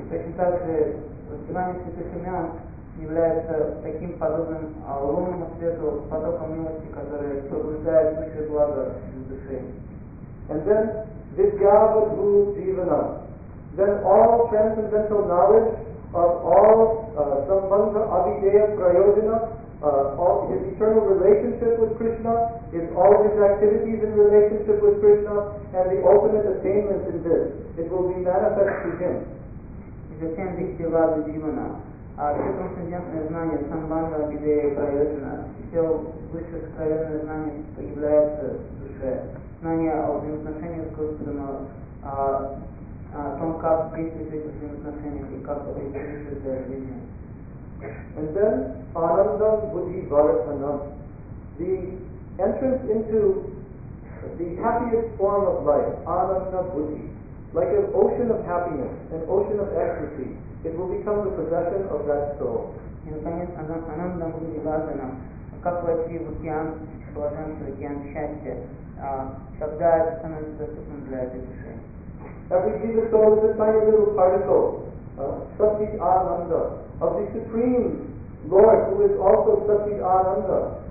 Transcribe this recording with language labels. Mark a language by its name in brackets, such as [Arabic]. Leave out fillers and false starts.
[Russian] Точно так же сияние святых имен является таким подобным лунному свету, потоком милости, который пробуждает высшее благо в душе. [English] And then this Gava grew even up. Then all transcendental knowledge of all Sambandha Abhideya Prayojana, all his eternal relationship with Krishna, his all his activities in relationship with Krishna, and the ultimate attainment in this, it will be manifest to him. The same thing to Gava Jivana. [Russian] Все трансцендентное знание Sambandha Abhideya Prayojana, все высшее сокровенное знание появляется в душе. Знание о взаимоотношениях с Господом, о том, как действовать в этих взаимоотношениях и как обеспечить это жизнь. [English] And then Anandam Buddhi Varatanam. The entrance into the happiest form of life, Anandam Buddhi, like an ocean of happiness, an ocean of ecstasy, it will become the possession of that soul. [Russian] И наконец Анандам Буддхи Варатанам, как войти в океан блаженства, океан счастья, когда это становится доступным для этой души. [English] Every Jiva soul is a tiny little particle, Satyat Ananda, of the Supreme Lord, who is also Satyat Ananda.